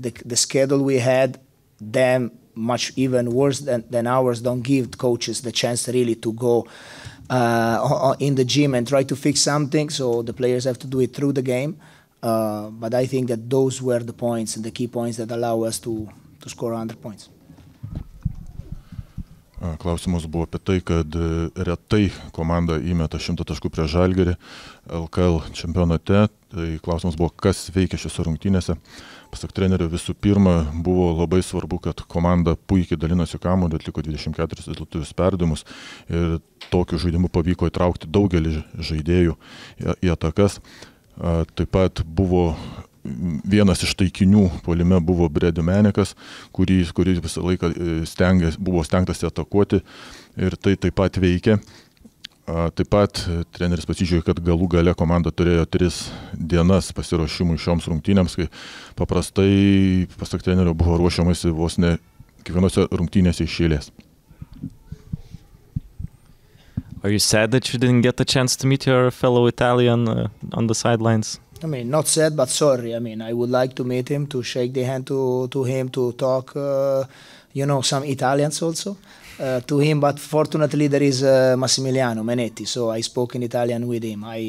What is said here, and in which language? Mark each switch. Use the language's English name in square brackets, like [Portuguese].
[English] The schedule we had, them much even worse than ours, don't give coaches the chance really to go in the gym and try to fix something. So the players have to do it through the game. But I think that those were the points and the key points that allow us to score 100 points. [Lithuanian] Klausimas buvo apie tai, kad retai komanda įmeta 100 taškų prie Žalgirį LKL čempionate. Tai klausimas buvo, kas veikia šiose rungtynėse. Pasak trenerio, visų pirma, buvo labai svarbu, kad komanda puikiai dalinosi kamuolį, atliko 24 rezultatyvius perdavimus ir tokiu žaidimu pavyko įtraukti daugelį žaidėjų į atakas. Taip pat buvo vienas iš taikinių puolime buvo Bredi Menekas, kuris visą laiką buvo stengtasi atakuoti ir tai taip pat veikė. Taip pat treneris pasižiūrėjo, kad galų gale komanda turėjo 3 dienas pasiruošimui šioms rungtynėms, kai paprastai, pasak trenerio, buvo ruošiamasi vos ne kiekvienose rungtynėse iš eilės. [English] Are you sad that you didn't get the chance to meet your fellow Italian on the sidelines? I mean, not sad, but sorry. I mean, I would like to meet him, to shake the hand to him, to talk, you know, some Italians also to him. But fortunately, there is Massimiliano Menetti, so I spoke in Italian with him.